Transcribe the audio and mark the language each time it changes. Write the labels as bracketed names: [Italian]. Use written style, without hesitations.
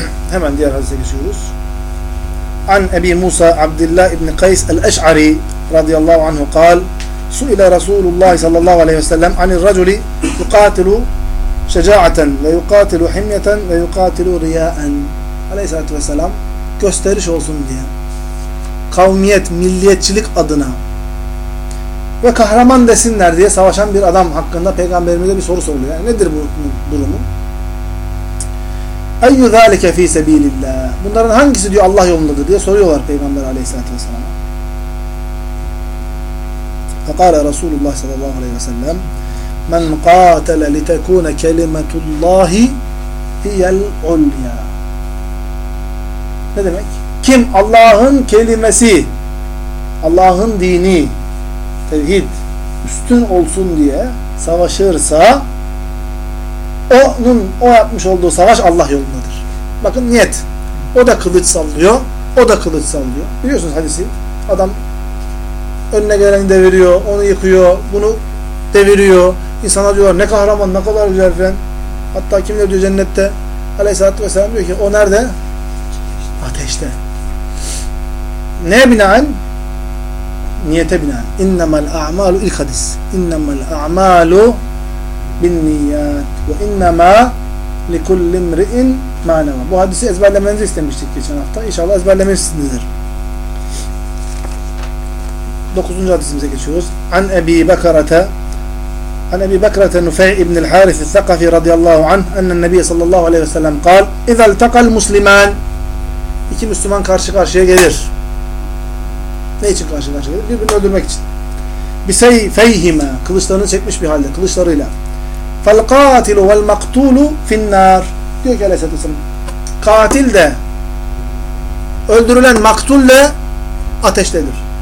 [Turkish] Hemen diğer hadise geçiyoruz. An Ebi Musa Abdillah İbni Kays el-Eş'ari radıyallahu anhu kal [Arabic] سئل رسول الله صلى الله عليه وسلم عن الرجل يقاتل شجاعة ويقاتل حمية ويقاتل رياء عليه السلام [Turkish] gösteriş olsun diye kavmiyet, milliyetçilik adına ve kahraman desinler diye savaşan bir adam hakkında peygamberimize bir soru soruluyor. Yani nedir bu durumu? [Arabic] أي ذلك في سبيل الله. [Turkish] Bunların hangisi diyor Allah yolundadır diye soruyorlar peygamber aleyhisselam. [Arabic] فقال رسول الله صلى الله عليه وسلم من قاتل لتكون كلمة الله هي العليا. [Turkish] Ne demek? Kim Allah'ın kelimesi, Allah'ın dini, tevhid üstün olsun diye savaşırsa onun o yapmış olduğu savaş Allah yolundadır. Bakın niyet. O da kılıç sallıyor. O da kılıç sallıyor. Biliyorsunuz hadisi. Adam önüne geleni deviriyor. Onu yıkıyor. Bunu deviriyor. İnsanlar diyorlar ne kahraman ne kadar güzel falan. Hatta kimler diyor cennette aleyhissalatü vesselam diyor ki o nerede? Ateşte. Ne binaen? Niyete binaen. [Arabic] İnnemel a'malu [Turkish] ilk hadis. [Arabic] İnnemel a'malu bin niyyat ve innema likullim ri'in manama. [Turkish] Bu hadisi ezberlemenizi istemiştik geçen hafta. İnşallah ezberlemişsinizdir. 9. hadisimize geçiyoruz. [Arabic] An Ebi Bekara'ta عن أبي بكرة نفع ابن الحارث الثقفي رضي الله عنه أن النبي صلى الله عليه وسلم قال إذا التقى المسلمان [Turkish] iki Müslüman karşı karşıya gelir. Ne için karşı karşıya gelir? Birbirini öldürmek için. [Arabic] بسيفيهما [Turkish] kılıçlarını çekmiş bir halde kılıçlarıyla. [Arabic] فالقاتل والمقتول في النار [Turkish] diyor ki [Arabic] aleyhissalatü vesselam. [Turkish] Katil de öldürülen maktul de ateştedir.